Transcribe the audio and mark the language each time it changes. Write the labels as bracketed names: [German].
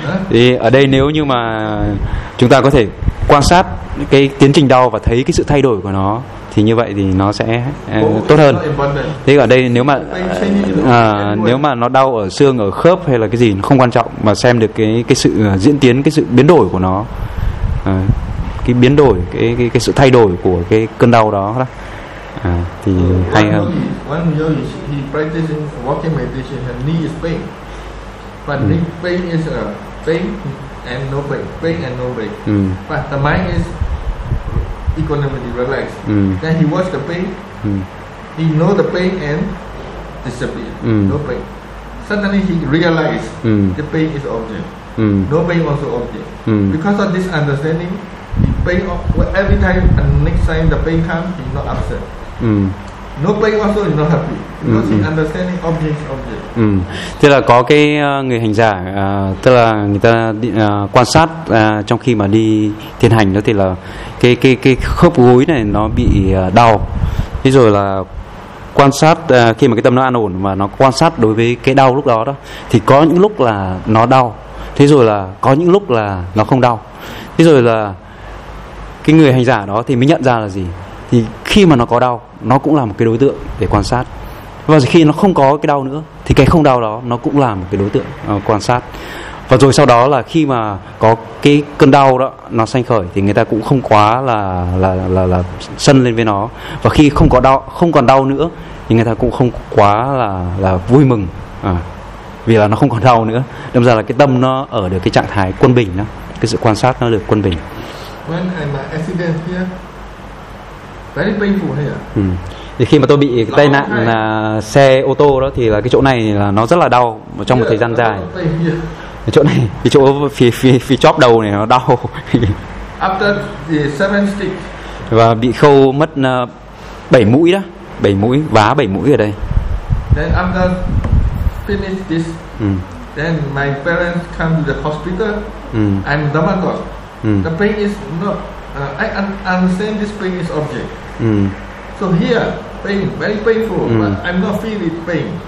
[Vietnamese] Thì ở đây nếu như mà chúng ta có thể quan sát cái tiến trình đau và thấy cái sự thay đổi của nó, thì như vậy thì nó sẽ tốt hơn. Thế ở đây nếu mà nếu mà nó đau ở xương, ở khớp hay là cái gì không quan trọng, mà xem được cái sự diễn tiến, cái sự biến đổi của nó, cái biến đổi, cái sự thay đổi của cái cơn đau đó, À, thì hay hơn. [English] One yogi, he practicing walking meditation and knee is pain. But knee pain is a pain and no pain, pain and no pain. But the mind is equanimity, relaxed. Then he watch the pain. He know the pain and disappear. No pain. Suddenly he realize the pain is object. No pain also object. Because of this understanding, the pain of, well, every time and next time the pain comes, he's not upset. No pain also is not happy because he understanding object object. [Vietnamese] Tức là có cái người hành giả, tức là người ta quan sát trong khi mà đi thiền hành đó, thì là cái khớp gối này nó bị đau. Thế rồi là quan sát khi mà cái tâm nó an ổn và nó quan sát đối với cái đau lúc đó đó, thì có những lúc là nó đau, thế rồi là có những lúc là nó không đau. Thế rồi là cái người hành giả đó thì mới nhận ra là gì, thì khi mà nó có đau, nó cũng là một cái đối tượng để quan sát. Và khi nó không có cái đau nữa, thì cái không đau đó nó cũng là một cái đối tượng quan sát. Và rồi sau đó là khi mà có cái cơn đau đó nó sanh khởi, thì người ta cũng không quá là sân lên với nó. Và khi không có đau, không còn đau nữa, thì người ta cũng không quá là vui mừng vì là nó không còn đau nữa. Đâm ra là cái tâm nó ở được cái trạng thái quân bình đó, cái sự quan sát nó được quân bình. [English] When I'm an accident here, very painful here. [Vietnamese] Thì khi mà tôi bị cái tai nạn xe ô tô đó, thì là cái chỗ này là nó rất là đau trong một thời gian dài. Chỗ này, cái chỗ phía chóp đầu này nó đau. [English] After the seven stick. [Vietnamese] Và bị khâu mất 7 mũi đó, 7 mũi, vá 7 mũi ở đây. [English] Then after finish this, then my parents come to the hospital. I'm Dhammakot. The pain is not, I understand this pain is object. So here, pain, very painful, but I'm not feeling pain.